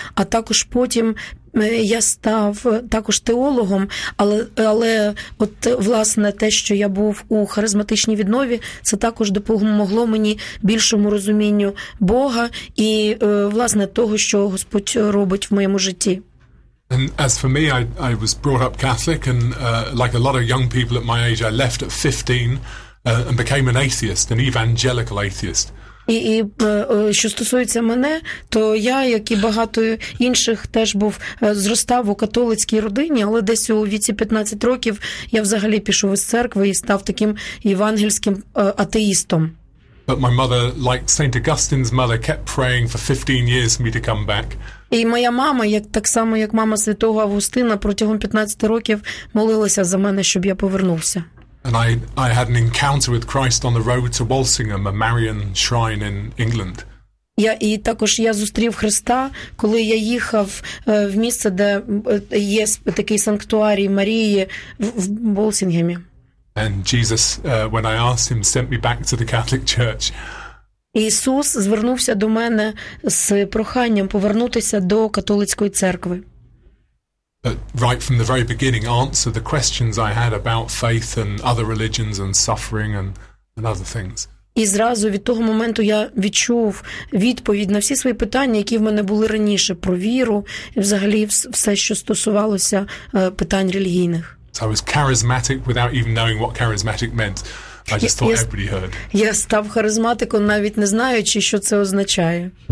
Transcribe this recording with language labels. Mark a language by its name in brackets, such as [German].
[Ukrainian] А також потім я став також теологом. Але от, власне, те, що я був у харизматичній віднові, це також допомогло мені більшому розумінню Бога і, власне, того, що Господь робить в моєму житті. [English] And as for me, I was brought up Catholic, and like a lot of young people at my age, I left at 15 and became an atheist, an evangelical atheist. [Ukrainian] І що стосується мене, то я, як і багато інших, теж був зростав у католицькій родині, але десь у віці 15 років я взагалі пішов із церкви і став таким євангельським атеїстом. [English] But my mother, like Saint Augustine's mother, kept praying for 15 years for me to come back. [Ukrainian] І моя мама, як так само, як мама святого Августина, протягом 15 років молилася за мене, щоб я повернувся. [English] And I had an encounter with Christ on the road to Walsingham, a Marian shrine in England. [Ukrainian] Я також зустрів Христа, коли я їхав в місце, де є такий санктуарій Марії в Walsinghamі. [English] And Jesus, when I asked him, sent me back to the Catholic Church. [Ukrainian] Ісус звернувся до мене з проханням повернутися до католицької церкви. [English] But right from the very beginning, answer the questions I had about faith and other religions and suffering and other things. [Ukrainian] І зразу від того моменту я відчув відповідь на всі свої питання, які в мене були раніше, про віру і взагалі все, що стосувалося питань релігійних. [English] So I was charismatic without even knowing what charismatic meant. I just thought everybody heard. [Ukrainian] Я став харизматиком, навіть не знаючи, що це означає.